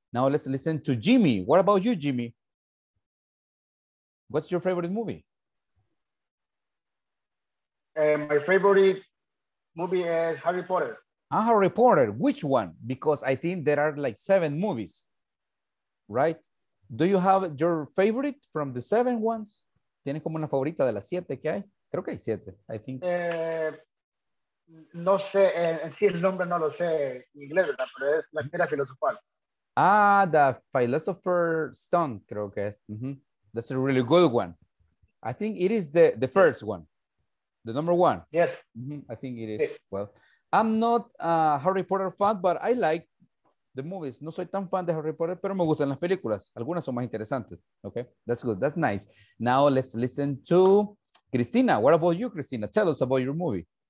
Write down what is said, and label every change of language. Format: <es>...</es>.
<en>Now let's listen to Jimmy. What about you, Jimmy? What's your favorite movie? My favorite movie is Harry Potter. Harry Potter, which one? Because I think there are like 7 movies, right? Do you have your favorite from the 7 ones?</en> <es>¿Tienes como una favorita de las 7 que hay? Creo que hay 7,</es> <en>I think.</en> <es>No sé, sí, el nombre no lo sé en inglés, ¿verdad? Pero es la piedra filosofal. The Philosopher's Stone, creo que es. Mm-hmm.</es> <en>That's a really good one. I think it is the first one. The number one. Yes. Mm-hmm. I think it is. Sí. Well, I'm not a Harry Potter fan, but I like the movies.</en> <es>No soy tan fan de Harry Potter, pero me gustan las películas. Algunas son más interesantes.</es> <en>Okay, that's good. That's nice. Now let's listen to Cristina. What about you, Cristina? Tell us about your movie.</en>